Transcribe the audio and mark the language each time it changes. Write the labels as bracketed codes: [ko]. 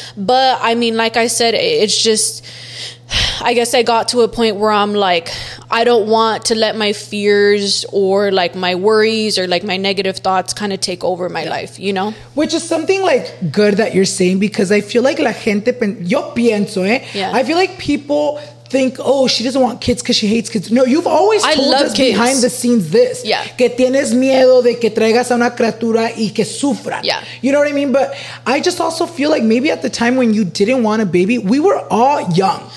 [en] But I mean, like I said, it's just, I guess I got to a point where I'm like, I don't want to let my fears or like my worries or like my negative thoughts kind of take over my life, you know? Which is something like good that you're saying, because I feel like [es] la gente, yo pienso, [en] I feel like people think, oh, she doesn't want kids because she hates kids. No, you've always told us behind the scenes this. Yeah. [es] Que tienes miedo de que traigas a una criatura y que sufra. [en] Yeah. You know what I mean? But I just also feel like maybe at the time when you didn't want a baby, we were all young.